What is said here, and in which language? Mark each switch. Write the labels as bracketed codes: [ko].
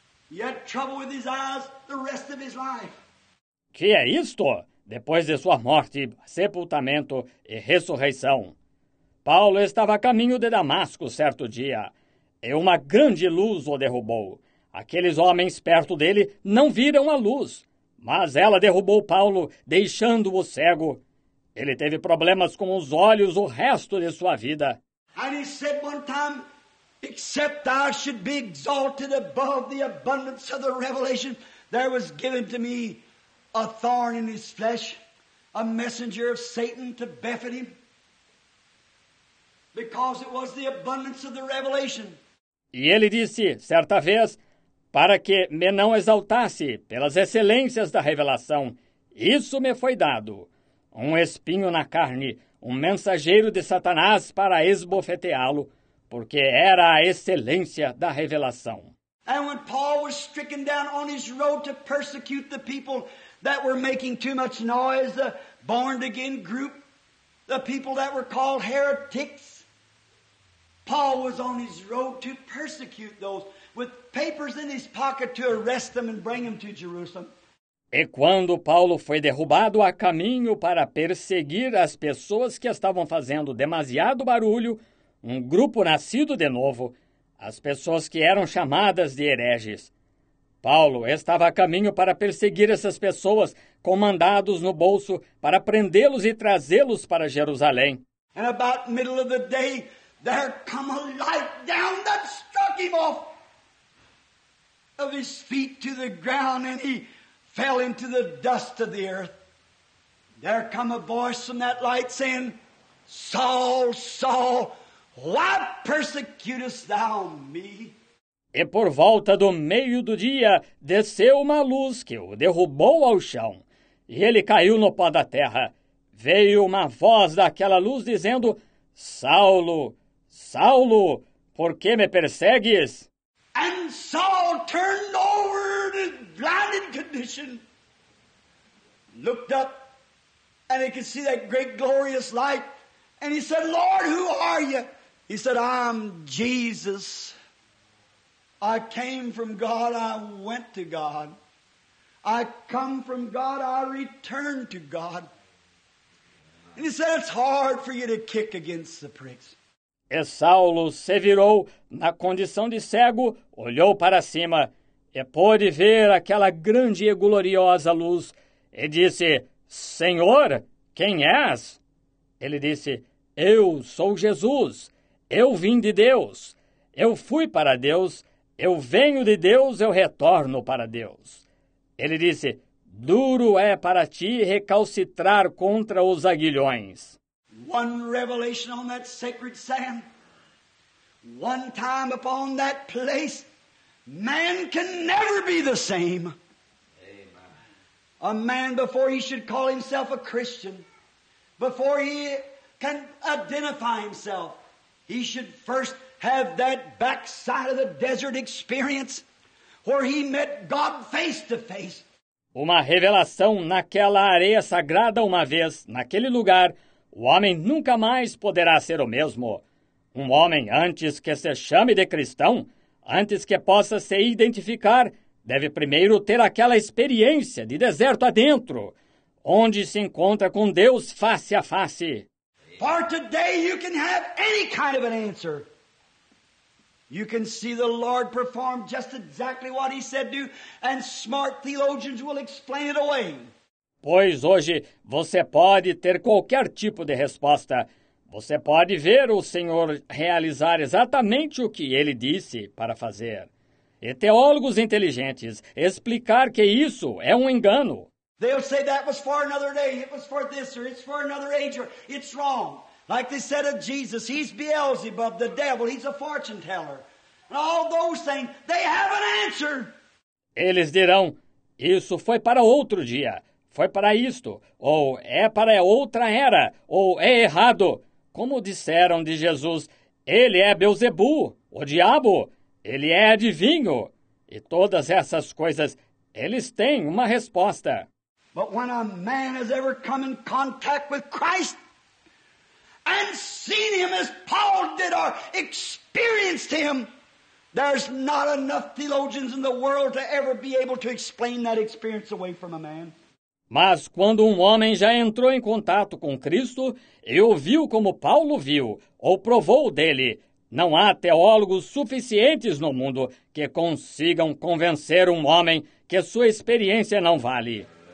[en] He had trouble with his eyes the rest of his life. [pt] Que é isto? Depois de sua morte, sepultamento e ressurreição, Paulo estava a caminho de Damasco certo dia, e uma grande luz o derrubou. Aqueles homens perto dele não viram a luz, mas ela derrubou Paulo, deixando-o cego. Ele teve problemas com os olhos o resto de sua vida. [en] And he said one time, except I should be exalted above the abundance of the revelation, there was given to me a thorn in his flesh, a messenger of Satan to buffet him, because it was the abundance of the revelation. [pt] E ele disse, certa vez, para que me não exaltasse pelas excelências da revelação, isso me foi dado. Um espinho na carne, um mensageiro de Satanás para esbofeteá-lo, porque era a excelência da revelação. [en] And when Paul was stricken down on his road to persecute the people that were making too much noise, the born-again group, the people that were called heretics, Paul was on his road to persecute those with papers in his pocket to arrest them and bring them to Jerusalem. [pt] E quando Paulo foi derrubado a caminho para perseguir as pessoas que estavam fazendo demasiado barulho, um grupo nascido de novo, as pessoas que eram chamadas de hereges. Paulo estava a caminho para perseguir essas pessoas com mandados no bolso para prendê-los e trazê-los para Jerusalém. [en] And about middle of the day, there come a light down that struck him off of his feet to the ground, and he fell into the dust of the earth. There come a voice from that light saying, Saul, Saul, why persecutest thou me? [pt] E por volta do meio do dia, desceu uma luz que o derrubou ao chão, e ele caiu no pó da terra. Veio uma voz daquela luz dizendo, Saulo, Saulo, por que me persegues? [en] And Saul turned over in his blinded condition, looked up, and he could see that great glorious light, and he said, Lord, who are you? He said, I'm Jesus. I came from God, I went to God. I come from God, I return to God. And he said, it's hard for you to kick against the pricks. [pt] E Saulo se virou na condição de cego, olhou para cima e pôde ver aquela grande e gloriosa luz e disse, Senhor, quem és? Ele disse, eu sou Jesus, Eu vim de Deus. Eu fui para Deus. Eu venho de Deus. Eu retorno para Deus. Ele disse, duro é para ti recalcitrar contra os aguilhões. [en] One revelation on that sacred sand. One time upon that place. Man can never be the same. A man, before he should call himself a Christian, before he can identify himself, he should first have that backside of the desert experience where he met God face to face. [pt] Uma revelação naquela areia sagrada uma vez, naquele lugar, o homem nunca mais poderá ser o mesmo. Um homem, antes que se chame de cristão, antes que possa se identificar, deve primeiro ter aquela experiência de deserto adentro, onde se encontra com Deus face a face. [en] For today you can have any kind of an answer. You can see the Lord perform just exactly what he said do, and smart theologians will explain it away. [pt] Pois hoje você pode ter qualquer tipo de resposta. Você pode ver o Senhor realizar exatamente o que ele disse para fazer. E teólogos inteligentes explicar que isso é um engano. [en] They'll say that was for another day, it was for this, or it's for another age, or it's wrong. Like they said of Jesus, he's Beelzebub, the devil, he's a fortune teller. And all those things, they have an answer. [pt] Eles dirão, isso foi para outro dia, foi para isto, ou é para outra era, ou é errado. Como disseram de Jesus, ele é Beelzebu, o diabo. Ele é adivinho. E todas essas coisas, eles têm uma resposta. [en] But when a man has ever come in contact with Christ and seen him as Paul did or experienced him, there's not enough theologians in the world to ever be able to explain that experience away from a man. [pt] Mas quando um homem já entrou em contato com Cristo e o viu como Paulo viu ou provou dele, não há teólogos suficientes no mundo que consigam convencer um homem que sua experiência não vale.